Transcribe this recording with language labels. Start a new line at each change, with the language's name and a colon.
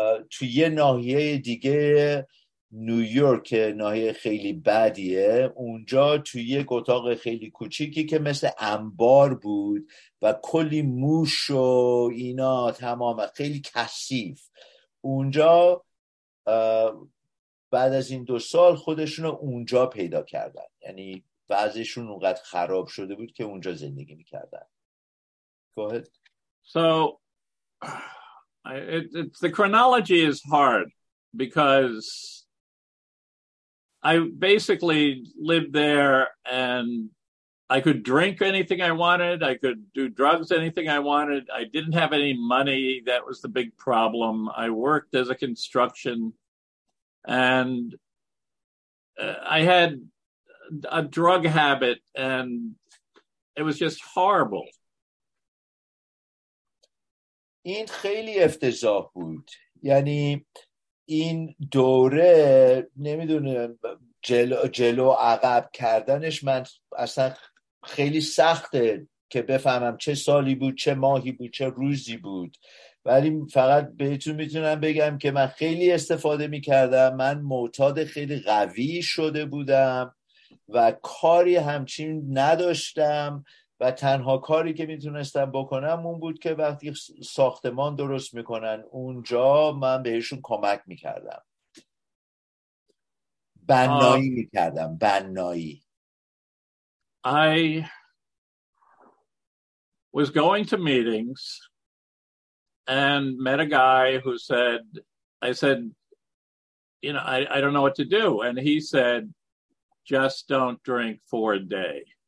Persian: تو یه ناحیه دیگه نیویورک، ناحیه خیلی بدیه، اونجا توی یک اتاق خیلی کوچیکی که مثل انبار بود و کلی موش و اینا تمام خیلی کثیف، اونجا بعد از این 2 سال خودشون رو اونجا پیدا کردن، یعنی وضعشون اونقدر خراب شده بود که اونجا زندگی میکردن.
English: Go ahead. So the chronology is hard because I basically lived there and I could drink anything I wanted. I could do drugs anything I wanted. I didn't have any money. That was the big problem. I worked as a construction and I had a drug habit and it was just horrible.
Persian: این خیلی افتضاح بود. یعنی این دوره نمیدونم جلو عقب کردنش من اصلا خیلی سخته که بفهمم چه سالی بود، چه ماهی بود، چه روزی بود، ولی فقط بهتون میتونم بگم که من خیلی استفاده میکردم، من معتاد خیلی قوی شده بودم و کاری همچین نداشتم و تنها کاری که میتونستم بکنم اون بود که وقتی ساختمان درست میکنن اونجا من بهشون کمک میکردم، بنایی میکردم، بنایی.
English: I was going to meetings and met a guy who said, I said, you know, I don't know what to do. And he said, just don't drink for a day.